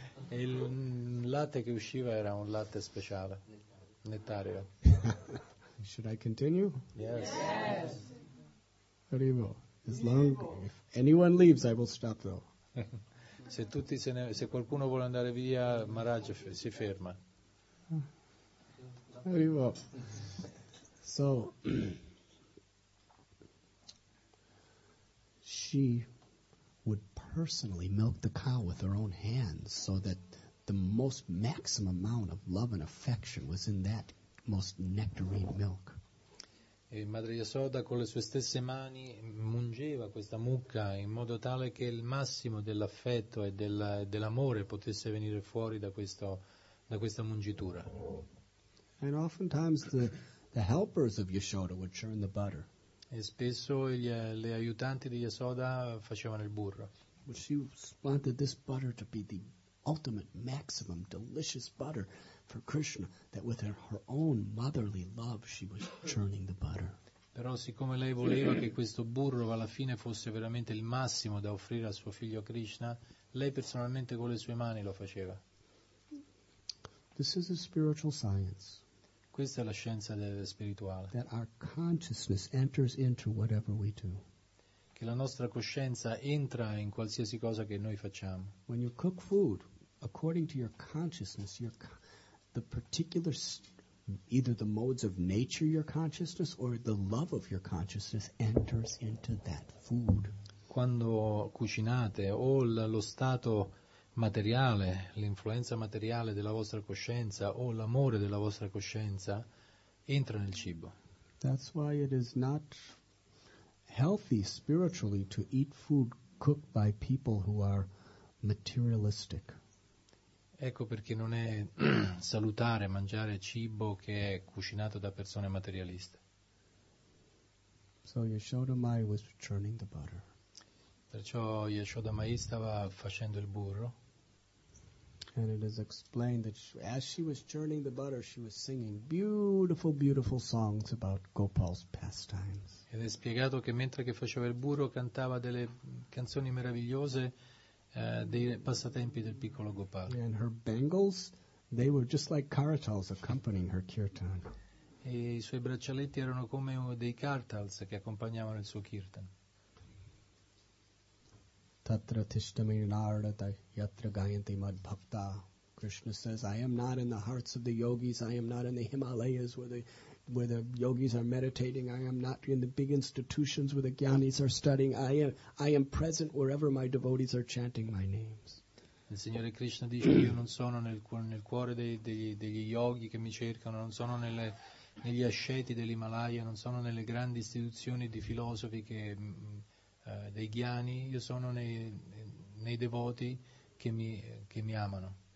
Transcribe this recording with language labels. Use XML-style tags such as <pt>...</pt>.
<it>il latte che usciva era un latte speciale, nettario.</it> <en>Should I continue? Yes.</en> <it>Arrivo.</it> <en>As long if anyone leaves, I will stop though.</en> <it>Se qualcuno vuole andare via, Maharaj si ferma. Arrivo.</it> <en>So she would personally milk the cow with her own hands so that the most maximum amount of love and affection was in that most nectarine milk.</en> <it>E Madre Yasoda con le sue stesse mani mungeva questa mucca in modo tale che il massimo dell'affetto e dell'amore potesse venire fuori da questa mungitura.</it> <en>And oftentimes the helpers of Yashoda would churn the butter.</en> <it>E spesso le aiutanti di Yasoda facevano il burro.</it> <en>But she wanted this butter to be the ultimate, maximum, delicious butter for Krishna, that with her own motherly love she was churning the butter.</en> <it>Però siccome lei voleva che questo burro alla fine fosse veramente il massimo da offrire al suo figlio Krishna, lei personalmente con le sue mani lo faceva.</it> <en>This is a spiritual science.</en> <it>Questa è la scienza spirituale.</it> <en>That our consciousness enters into whatever we do.</en> <it>Che la nostra coscienza entra in qualsiasi cosa che noi facciamo.</it> <en>When you cook food, according to your consciousness, the particular either the modes of nature your consciousness or the love of your consciousness enters into that food.</en> <it>Quando cucinate, o lo stato materiale, l'influenza materiale della vostra coscienza o l'amore della vostra coscienza entra nel cibo.</it> <en>That's why it is not healthy spiritually to eat food cooked by people who are materialistic.</en> <it>Ecco perché non è salutare mangiare cibo che è cucinato da persone materialiste.</it> <en>So Yashoda Mai was churning the butter.</en> <it>Perciò Yashoda Mai stava facendo il burro.</it> <en>And it is explained that as she was churning the butter, she was singing beautiful, beautiful songs about Gopal's pastimes.</en> <it>Ed è spiegato che mentre che faceva il burro cantava delle canzoni meravigliose dei passatempi del piccolo Gopal.</it> <en>And her bangles, they were just like karatals accompanying her kirtan.</en> <it>E i suoi braccialetti erano come dei kartals che accompagnavano il suo kirtan.</it> <sa>Tatra tishtami narada yatra gayanti mad bhakta.</sa> <en>Krishna says, I am not in the hearts of the yogis, I am not in the Himalayas where the where the yogis are meditating. I am not in the big institutions where the gyanis are studying. I am present wherever my devotees are chanting my names.</en> <it>Il Signore Krishna dice: io non sono nel cuore degli yogi che mi cercano, non sono negli asceti dell'Himalaya, non sono nelle grandi istituzioni di filosofi che dei ghiani, io sono nei devoti che mi amano.</it>